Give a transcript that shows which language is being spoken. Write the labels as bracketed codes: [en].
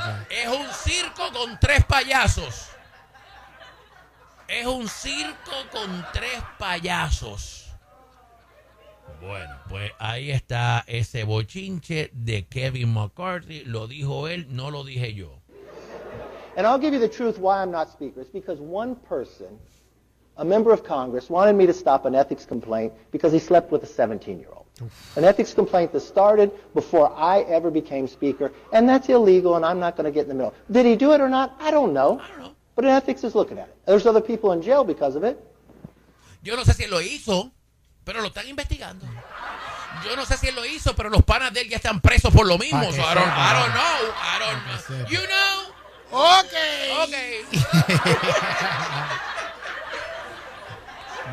[es] Es un circo con tres payasos. Es un circo con tres payasos. Bueno, pues ahí está ese bochinche de Kevin McCarthy. Lo dijo él, no lo dije yo. [en] And I'll give you the truth why I'm not speaker. It's because one person, a member of Congress, wanted me to stop an ethics complaint because he slept with a 17-year-old. Oof. An ethics complaint that started before I ever became speaker, and that's illegal, and I'm not going to get in the middle. Did he do it or not? I don't know. But an ethics is looking at it. There's other people in jail because of it. [es] Yo no sé si lo hizo, pero lo están investigando. Yo no sé si él lo hizo, pero los panas de él ya están presos por lo mismo. [en] So I don't know. You know? Okay.